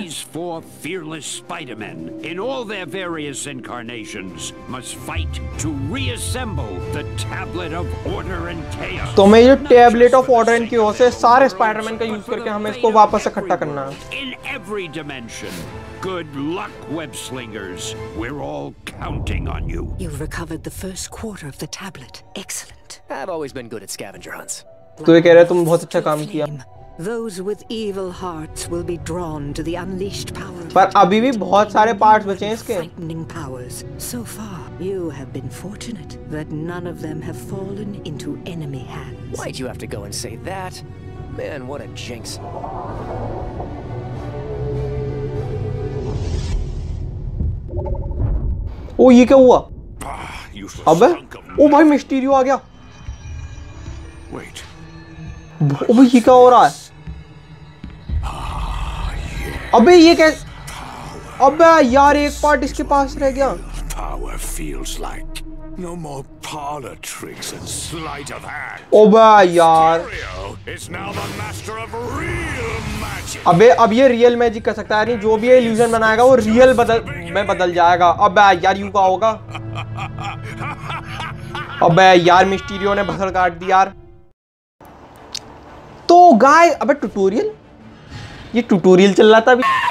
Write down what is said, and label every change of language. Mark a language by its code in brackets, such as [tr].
[en] These four fearless Spider-Men, in all their various incarnations, must fight to reassemble the tablet of order and chaos. [hi] तो मैं ये tablet of order and क्यों से सारे Spiderman का use करके हमें इसको वापस इकट्ठा करना है। [en] In every dimension, good luck, web-slingers. We're all counting on you. You've recovered the first quarter of the tablet. Excellent. I've always been good at scavenger hunts. [hi] तो ये कह रहे तुम बहुत अच्छा काम किया, [en] Those with evil hearts will be drawn to the unleashed power. [hi] पर अभी भी बहुत सारे पार्ट्स बचे हैं इसके। [en] Frightening powers. So far, you have been fortunate that none of them have fallen into enemy hands. Why'd you have to go and say that? Man, what a jinx. [hi] ओ ये क्या हुआ? अबे, ओ भाई मिस्टीरियो आ गया। Wait. अबे ये क्या हो रहा है? अबे ये कैसे? अबे यार एक पार्ट इसके पास रह गया। [en] Power feels like no more parlor tricks and sleight of hand. [hi] अबे यार। [en] Is now the master of real magic. [hi] अबे अब ये रियल मैजिक कर सकता है, नहीं जो भी ये इल्यूजन बनाएगा वो रियल बदल में बदल जाएगा। अबे यार यू का होगा? अबे यार मिस्टीरियो ने भसड़ काट दी यार। तो गाइस अबे ट्यूटोरियल, ये ट्यूटोरियल चल रहा था अभी।